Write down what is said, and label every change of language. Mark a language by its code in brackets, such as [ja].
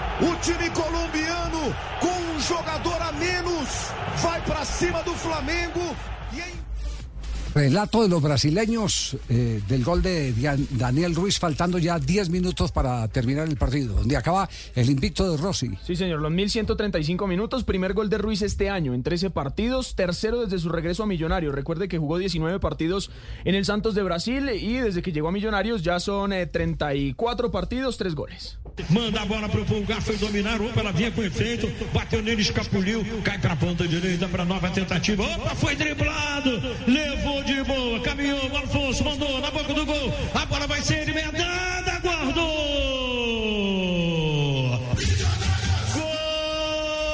[pt] O time colombiano com um jogador a menos vai para cima do Flamengo. [es] Relato de los brasileños del gol de Daniel Ruiz, faltando ya 10 minutos para terminar el partido, donde acaba el invicto de Rossi. Sí, señor, los 1.135 minutos, primer gol de Ruiz este año en 13 partidos, tercero desde su regreso a Millonarios. Recuerde que jugó 19 partidos en el Santos de Brasil y desde que llegó a Millonarios ya son 34 partidos, 3 goles. [pt] Manda a bola para o Pulgar, foi dominar, opa, ela vinha com efeito, bateu nele, escapuliu, cai para a ponta direita para nova tentativa, opa, foi driblado, levou de boa, caminhou, Alfonso mandou na boca do gol, a bola vai ser emendada, guardou! Gol!